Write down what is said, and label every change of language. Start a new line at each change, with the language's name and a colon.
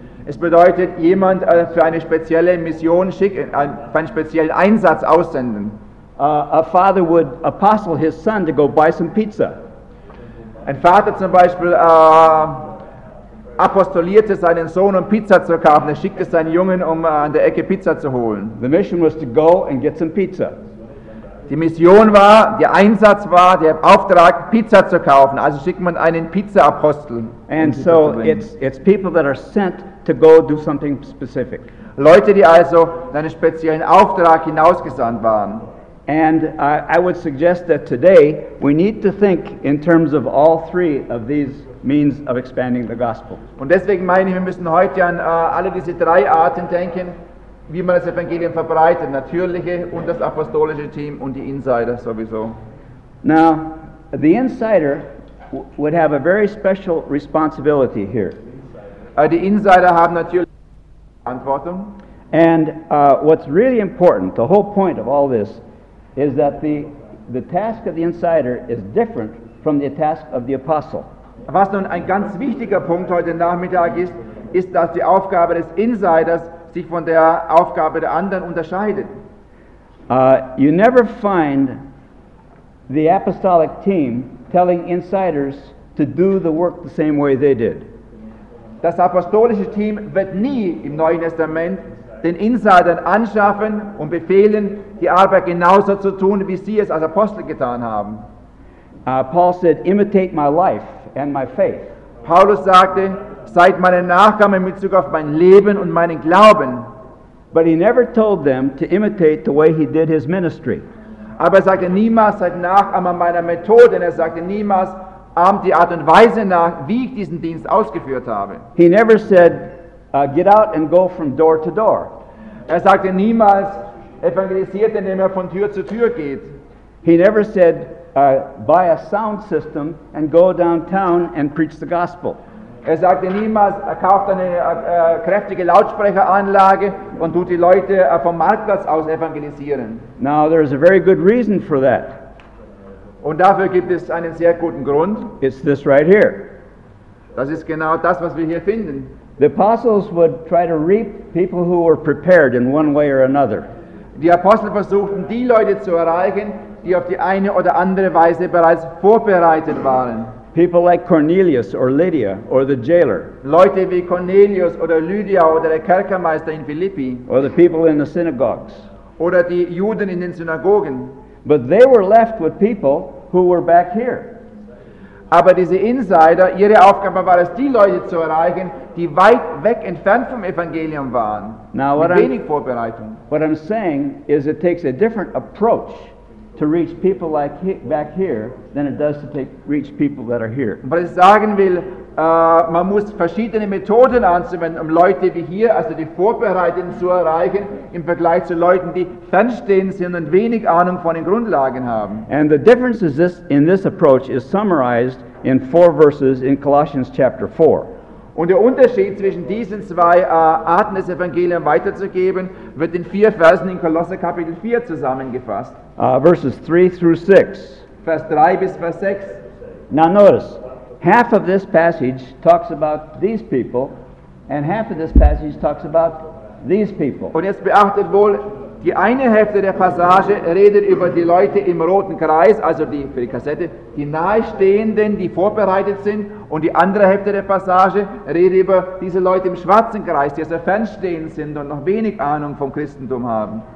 German: Es bedeutet, jemand für eine spezielle Mission schicken, für einen speziellen Einsatz aussenden.
English: A father would apostle his son to go buy some pizza.
German: Ein Vater zum Beispiel apostolierte seinen Sohn, um Pizza zu kaufen. Er schickte seinen Jungen, um an der Ecke Pizza zu holen.
English: The mission was to go and get some pizza.
German: Die Mission war, der Einsatz war, der Auftrag, Pizza zu kaufen. Also schickt man einen Pizza-Apostel.
English: And so it's people that are sent to go do something specific.
German: Leute, die also einen speziellen Auftrag hinausgesandt waren.
English: And I would suggest that today we need to think in terms of all three of these means of expanding the gospel.
German: Und deswegen meine ich, wir müssen heute an alle diese drei Arten denken, wie man das Evangelium verbreitet, natürliche und das apostolische Team und die Insider sowieso.
English: Now, the insider would have a very special responsibility here.
German: Die Insider haben natürlich Verantwortung.
English: And what's really important, the whole point of all this, is that the task of the insider is different from the task of the apostle.
German: Was nun ein ganz wichtiger Punkt heute Nachmittag ist, ist, dass die Aufgabe des Insiders sich von der Aufgabe der anderen unterscheidet.
English: You never find the apostolic team telling insiders to do the work the same way they did.
German: Das apostolische Team wird nie im Neuen Testament den Insidern anschaffen und befehlen, die Arbeit genauso zu tun, wie sie es als Apostel getan haben.
English: Paul said, imitate my life and my faith.
German: Paulus sagte, seid meine Nachkommen in Bezug auf mein Leben und meinen Glauben.
English: But he never told them to imitate the way he did his ministry.
German: Aber er sagte niemals, seid Nachkommen meiner Methode. Und er sagte niemals, ahmt die Art und Weise nach, wie ich diesen Dienst ausgeführt habe.
English: He never said, get out and go from door to door.
German: Er sagte niemals, evangelisiert, indem er von Tür zu Tür geht.
English: He never said, buy a sound system and go downtown and preach the gospel.
German: Er sagte niemals, kauft eine kräftige Lautsprecheranlage und tut die Leute vom Marktplatz aus evangelisieren.
English: Now there is a very good reason for that.
German: Und dafür gibt es einen sehr guten Grund.
English: It's this right here.
German: Das ist genau das, was wir hier finden.
English: The apostles would try to reap people who were prepared in one way or another.
German: Die Apostel versuchten, die Leute zu erreichen, die auf die eine oder andere Weise bereits vorbereitet waren.
English: People like Cornelius or Lydia or the jailer.
German: Leute wie Cornelius oder Lydia oder der Kerkermeister in Philippi.
English: Or the people in the synagogues.
German: Oder die Juden in den Synagogen.
English: But they were left with people who were back here.
German: Aber diese Insider, ihre Aufgabe war es, die Leute zu erreichen, die weit weg entfernt vom Evangelium waren.
English: Now,
German: mit wenig Vorbereitung.
English: What I'm saying is it takes a different approach to reach people like back here than it does to reach people that are here.
German: Was ich sagen will, man muss verschiedene Methoden anwenden, um Leute wie hier, also die Vorbereiteten, zu erreichen, im Vergleich zu Leuten, die fernstehend sind und wenig Ahnung von den Grundlagen haben.
English: And the difference is this, in this approach is summarized in four verses in Colossians chapter 4.
German: Und der Unterschied zwischen diesen zwei Arten, des Evangelium weiterzugeben, wird in vier Versen in Kolosser Kapitel 4 zusammengefasst.
English: Verses 3 through 6.
German: Vers 3 bis Vers 6.
English: Now notice, half of this passage talks about these people, and half of this passage talks about these people.
German: Und jetzt beachtet wohl, Die eine Hälfte der Passage redet über die Leute im roten Kreis, also die für die Kassette, die Nahestehenden, die vorbereitet sind, und die andere Hälfte der Passage redet über diese Leute im schwarzen Kreis, die also fernstehend sind und noch wenig Ahnung vom Christentum haben.